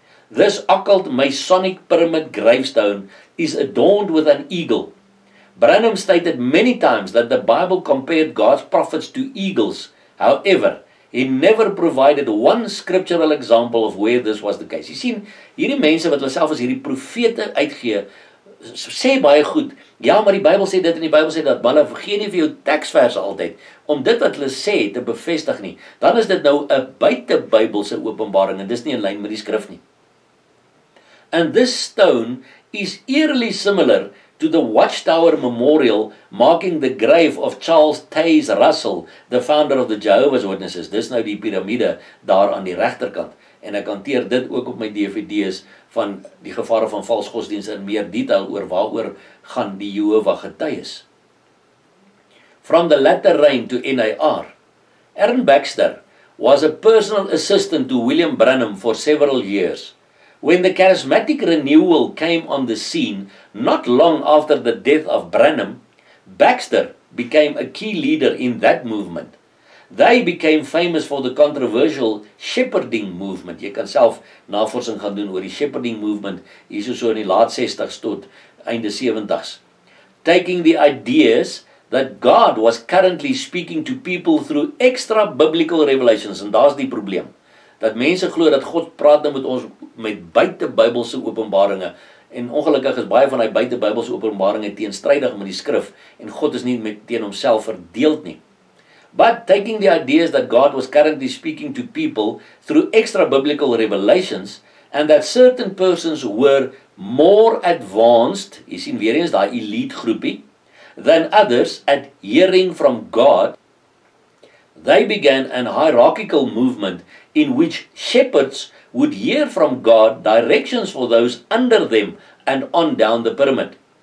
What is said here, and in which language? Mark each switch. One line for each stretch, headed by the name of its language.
English: This occult Masonic pyramid gravestone is adorned with an eagle. Branham stated many times that the Bible compared God's prophets to eagles. However, he never provided one scriptural example of where this was the case.
Afrikaans: Jy sien, hierdie mense wat hulle self as hierdie profete uitgee, sê baie goed, ja, maar die Bybel sê dit en die Bybel sê dat, maar hulle vergeet nie vir jou teksverse altyd, om dit wat hulle sê te bevestig nie. Dan is dit nou 'n buitebybelse openbaring en dis nie in lyn met die skrif nie.
English: And this stone is eerily similar to the Watchtower Memorial marking the grave of Charles Taze Russell, the founder of the Jehovah's Witnesses.
Afrikaans: Dis nou die piramide daar aan die regterkant. En ek hanteer dit ook op my DVD's van die gevare van vals godsdienste in meer detail oor waaroor gaan die Jehovah getuies.
English: From the latter rain to N.A.R. Aaron Baxter was a personal assistant to William Branham for several years. When the charismatic renewal came on the scene, not long after the death of Branham, Baxter became a key leader in that movement. They became famous for the controversial shepherding movement.
Afrikaans: Jy kan self navorsing gaan doen oor die shepherding movement, hier so in die laat 60s tot einde 70s.
English: Taking the ideas that God was currently speaking to people through extra biblical revelations,
Afrikaans: en daar's die probleem. Dat mense glo dat God praat met ons met buitebybelse openbaringe. En ongelukkig is baie van die buitebybelse openbaringe teenstrydig met die skrif. En God is nie met teen homself verdeeld nie.
English: But taking the ideas that God was currently speaking to people through extra biblical revelations and that certain persons were more advanced,
Afrikaans: jy sien weer eens daai elite groepie,
English: than others at hearing from God, they began an hierarchical movement in which shepherds would hear from God directions for those under them and on down the pyramid.